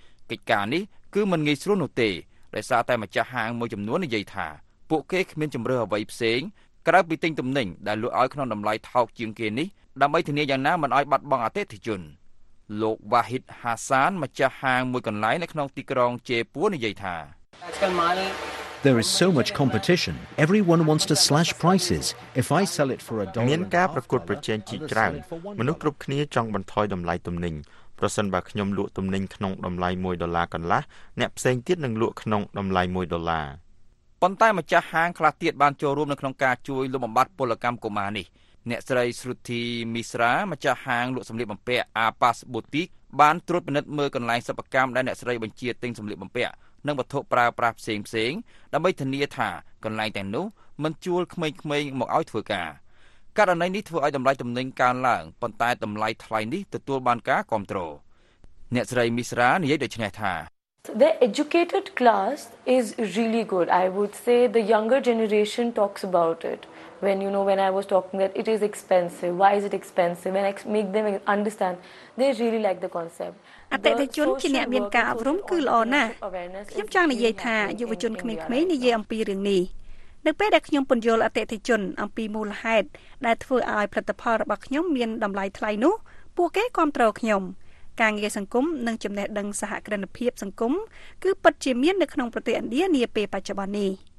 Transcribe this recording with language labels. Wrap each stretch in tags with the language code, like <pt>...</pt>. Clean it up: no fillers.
<km>កិច្ចការនេះគឺមិនងាយស្រួលនោះទេដោយសារតែម្ចាស់ហាងមួយចំនួននិយាយថាពួកគេគ្មានជំរឿអ្វីផ្សេងក្រៅពីទិញទំនិញដែលលក់ឲ្យក្នុងតម្លៃថោកជាងគេនេះដើម្បីធានាយ៉ាងណាមិនឲ្យបាត់បង់អតិថិជនលោកវ៉ាហ៊ីតហាសានម្ចាស់ហាងមួយកន្លែងនៅក្នុងទីក្រុងជេពួរនិយាយថា</km> <en>There is so much competition. Everyone wants to slash prices. If I sell it for a dollar,</en> <km>មានការប្រកួតប្រជែងជាច្រើន។មនុស្សគ្រប់គ្នាចង់បន្ថយតម្លៃទំនិញ។ប្រសិនបើខ្ញុំលក់ទំនិញក្នុងតម្លៃ1ដុល្លារកន្លះ,អ្នកផ្សេងទៀតនឹងលក់ក្នុងតម្លៃ1ដុល្លារ ។ប៉ុន្តែម្ចាស់ហាងខ្លះទៀតបានចូលរួមនៅក្នុងការជួយលុបបំបាត់ពលកម្មកុមារនេះ។អ្នកស្រីស្រុទ្ធីមីស្រាម្ចាស់ហាងលក់សម្លៀកបំពាក់ Apas Boutique បានត្រួតពិនិត្យមើលកន្លែងសិប្បកម្មដែលអ្នកស្រីបញ្ជាទិញសម្លៀកបំពាក់។នឹងវត្ថុប្រើប្រាស់ផ្សេងផ្សេងដើម្បីធានាថាកន្លែងទាំងនោះមិនជួលក្មេងៗមកឲ្យធ្វើការករណីនេះធ្វើឲ្យតម្លៃទំនិញកើនឡើងប៉ុន្តែតម្លៃថ្លៃនេះទទួលបានការគាំទ្រអ្នកស្រីមីស្រានិយាយដូចនេះថា</km> <en>The educated class is really good I would say the younger generation talks about it when you know when I was talking that it is expensive why is it expensive when I make them understand they really like the concept</en> <km>អតិថិជនជាអ្នកមានការអប់រំគឺល្អណាស់ខ្ញុំចង់និយាយថាយុវជនក្មេងៗនិយាយអំពីរឿងនេះនៅពេលដែលខ្ញុំពន្យល់អតិថិជនអំពីមូលហេតុដែលធ្វើឲ្យផលិតផលរបស់ខ្ញុំមានតម្លៃថ្លៃនោះពួកគេគាំទ្រខ្ញុំការងារសង្គមនិងចំណេះដឹងសហគ្រិនភាពសង្គមគឺពិតជាមាននៅក្នុងប្រទេសឥណ្ឌានាពេលបច្ចុប្បន្ននេះ</km>